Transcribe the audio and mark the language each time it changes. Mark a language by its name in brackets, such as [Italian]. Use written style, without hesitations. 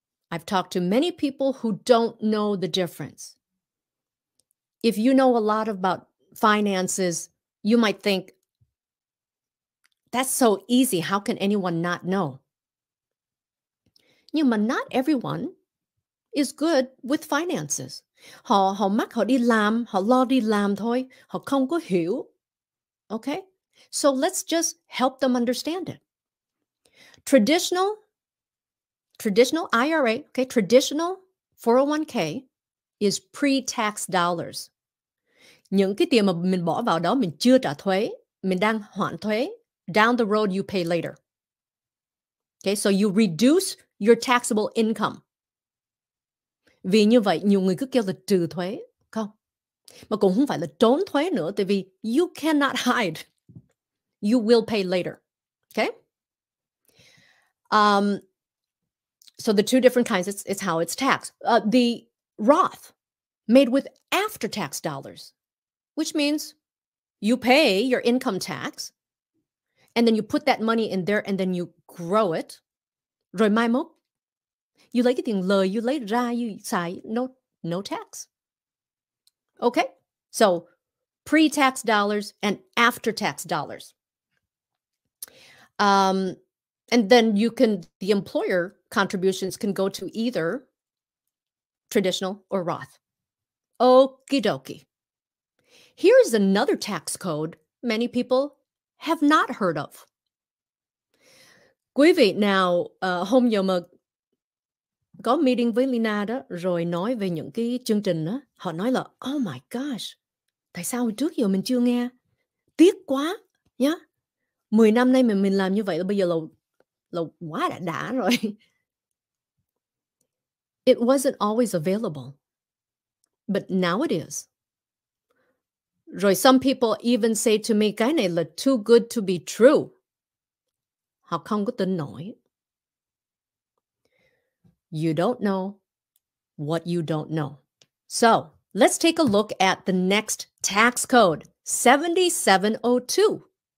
[English] I've talked to many people who don't know the difference. If you know a lot about finances, you might think, that's so easy. How can anyone not know? [Vietnamese] Nhưng mà [English] not everyone is good with finances. [Vietnamese] Họ mắc họ đi làm, họ lo đi làm thôi. Họ không có hiểu. [English] Okay? So let's just help them understand it. Traditional IRA, okay, traditional 401k is pre-tax dollars. [Vietnamese] Những cái tiền mà mình bỏ vào đó, mình chưa trả thuế, mình đang hoãn thuế. [English] Down the road, you pay later. Okay, so you reduce your taxable income. [Vietnamese] Vì như vậy, nhiều người cứ kêu là trừ thuế. Không. Mà cũng không phải là trốn thuế nữa, tại vì [English] you cannot hide. You will pay later. Okay? So the two different kinds, it's how it's taxed. The Roth, made with after-tax dollars, which means you pay your income tax, and then you put that money in there, and then you grow it. [Vietnamese] Rồi mai mốt, you lấy cái tiền lời, you lấy ra, you xài, [English] no tax. Okay, so pre-tax dollars and after-tax dollars. And then the employer contributions can go to either traditional or Roth. Okie dokie. Here's another tax code many people have not heard of. [Vietnamese] Quý vị nào hôm giờ mà có meeting với Leyna đó, rồi nói về những cái chương trình đó, họ nói là, [English] oh my gosh, [Vietnamese] tại sao trước giờ mình chưa nghe? Tiếc quá, nhá. 10 năm nay mình làm như vậy là bây giờ là quá đã rồi. [English] It wasn't always available, but now it is. [Vietnamese] Rồi [English] some people even say to me, [Vietnamese] cái này là [English] too good to be true. [Vietnamese] Họ không có tin nổi. [English] You don't know what you don't know. So let's take a look at the next tax code, 7702.